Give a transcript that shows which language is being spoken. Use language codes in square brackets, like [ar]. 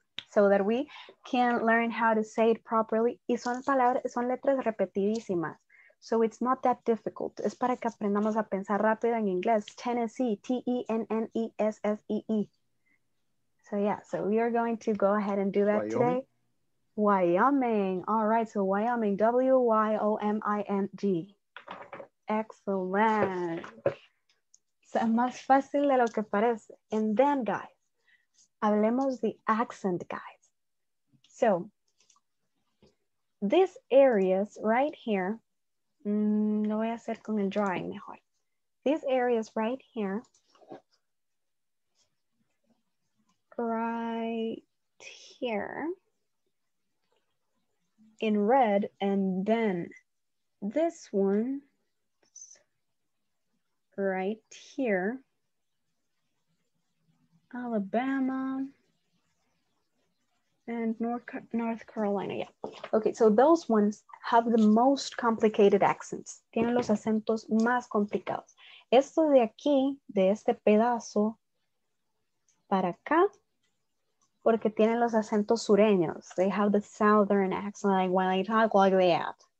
[en] So that we can learn how to say it properly. [es] Y son palabras, son letras repetidísimas. So [en] it's not that difficult. [es] Es para que aprendamos a pensar rápido en inglés. [en] Tennessee, T-E-N-N-E-S-S-E-E. So yeah, so we are going to go ahead and do that Wyoming. Today. Wyoming, all right, so Wyoming, W-Y-O-M-I-N-G. Excellent. [es] So, más fácil de lo que parece. [en] And then, guys, [es] hablemos [en] the accent, guys. [es] So, [en] these areas right here, [es] lo voy a hacer con el drawing mejor. [en] These areas right here, right here, in red, and then this one, right here, Alabama, and North Carolina, yeah. Okay, so those ones have the most complicated accents. [es] Tienen los acentos más complicados. Esto de aquí, de este pedazo, para acá, porque tienen los acentos sureños. [en] They have the southern accent, like when I talk like that.